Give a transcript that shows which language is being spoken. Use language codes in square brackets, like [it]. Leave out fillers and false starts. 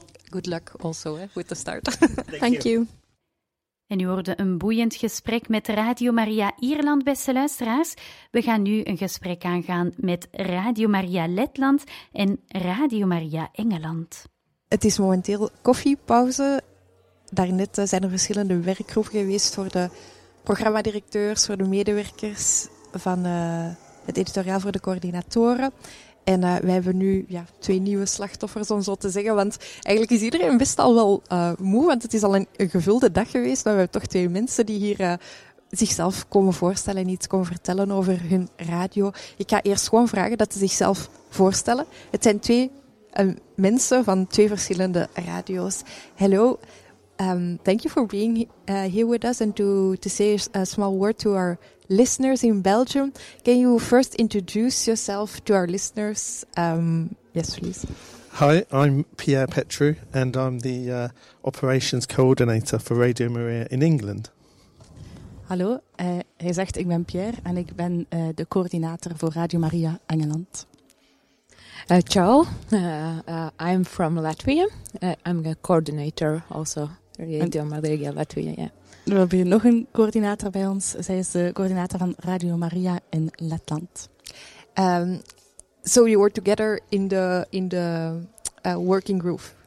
[en] Good luck also with the start. Thank you. [nl] En u hoorde een boeiend gesprek met Radio Maria Ierland, beste luisteraars. We gaan nu een gesprek aangaan met Radio Maria Letland en Radio Maria Engeland. Het is momenteel koffiepauze. Daarnet zijn er verschillende werkgroepen geweest voor de programmadirecteurs, voor de medewerkers van het editoriaal voor de coördinatoren. En wij hebben nu 2 nieuwe slachtoffers, om zo te zeggen. Want eigenlijk is iedereen best al wel moe, want het is al een gevulde dag geweest. Maar we hebben toch 2 mensen die hier zichzelf komen voorstellen en iets komen vertellen over hun radio. Ik ga eerst gewoon vragen dat ze zichzelf voorstellen. Het zijn 2 mensen van 2 verschillende radio's. [en] Hello, thank you for being here with us and to say a small word to our listeners in Belgium. Can you first introduce yourself to our listeners? Yes, please. Hi, I'm Pierre Petru, and I'm the operations coordinator for Radio Maria in England. [nl] Hallo, hij zegt ik ben Pierre en ik ben de coördinator voor Radio Maria Engeland. [en] Ciao, I'm from Latvia. I'm a coordinator also, Radio Maria Latvia. Yeah. [nl] Er wil hier nog een coördinator bij ons. Zij is de coördinator van Radio Maria in Letland. [en] So you were together in the working group?